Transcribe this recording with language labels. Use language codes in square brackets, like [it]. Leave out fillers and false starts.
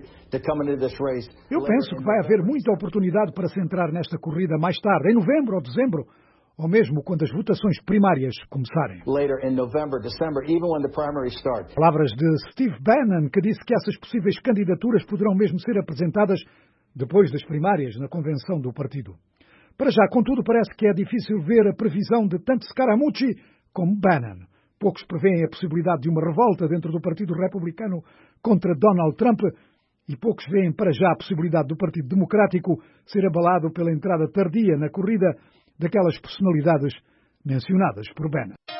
[pt] Eu penso que vai haver muita oportunidade para se entrar nesta corrida mais tarde, em novembro ou dezembro, ou mesmo quando as votações primárias começarem. [en] Later in November, December, even when the primaries start. [pt] Palavras de Steve Bannon, que disse que essas possíveis candidaturas poderão mesmo ser apresentadas depois das primárias na convenção do partido. Para já, contudo, parece que é difícil ver a previsão de tanto Scaramucci como Bannon. Poucos preveem a possibilidade de uma revolta dentro do Partido Republicano contra Donald Trump e poucos veem para já a possibilidade do Partido Democrático ser abalado pela entrada tardia na corrida daquelas personalidades mencionadas por Ben.